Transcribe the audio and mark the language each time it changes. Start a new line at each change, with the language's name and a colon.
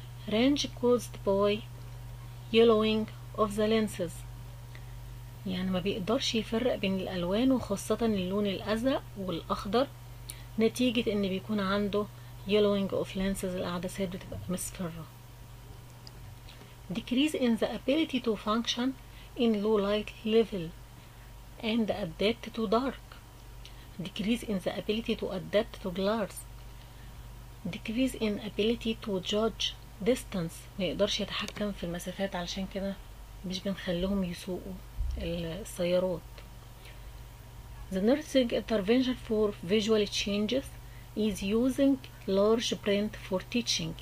English: Range caused by yellowing of the lenses.
Arabic: يعني ما بيقدرش يفرق بين الألوان وخاصة اللون الأزرق والأخضر نتيجة إن بيكون عنده
English: yellowing of lenses،
Arabic: العدسات بتبقى مصفرة.
English: Decrease in the ability to function in low light level and adapt to dark. Decrease in the ability to adapt to glares. Decrease in ability to judge distance.
Arabic: ما يقدرش يتحكم في المسافات، علشان كده مش بنخليهم يسوقوا السيارات.
English: The nursing intervention for visual changes is using large print for teaching.